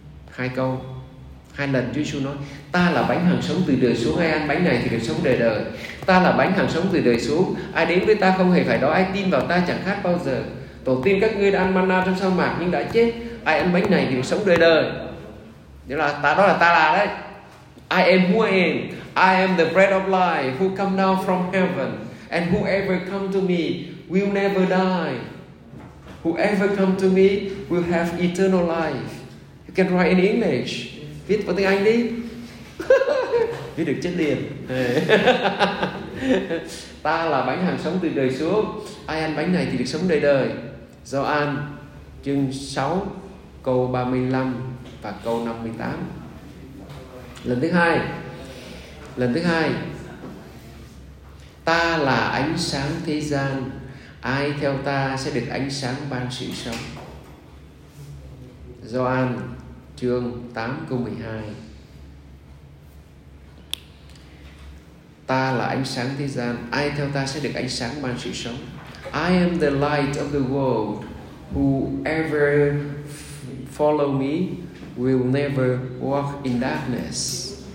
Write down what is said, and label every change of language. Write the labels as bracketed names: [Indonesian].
[Vietnamese] Hai câu, hai lần Chúa Giêsu nói: ta là bánh hằng sống từ đời xuống, ai ăn bánh này thì được sống đời đời. Ta là bánh hằng sống từ đời xuống, ai đến với ta không hề phải đói, ai tin vào ta chẳng khát bao giờ. Tổ tiên các ngươi đã ăn manna trong sa mạc nhưng đã chết, ai ăn bánh này thì được sống đời đời. Đó là ta đấy. [English] I am who I am. I am the bread of life who come down from heaven. And whoever come to me will never die. Whoever come to me will have eternal life. You can write in English. [Vietnamese] Viết vào tiếng Anh đi. Viết được chết liền. Ta là bánh hằng sống từ đời xuống. Ai ăn bánh này thì được sống đời đời. Gioan chương 6 câu 35 và câu 58. Lần thứ hai, ta là ánh sáng thế gian, ai theo ta sẽ được ánh sáng ban sự sống. Gioan chương 8 câu 12. Ta là ánh sáng thế gian, ai theo ta sẽ được ánh sáng ban sự sống. [English] I am the light of the world, whoever follow me will never walk in darkness.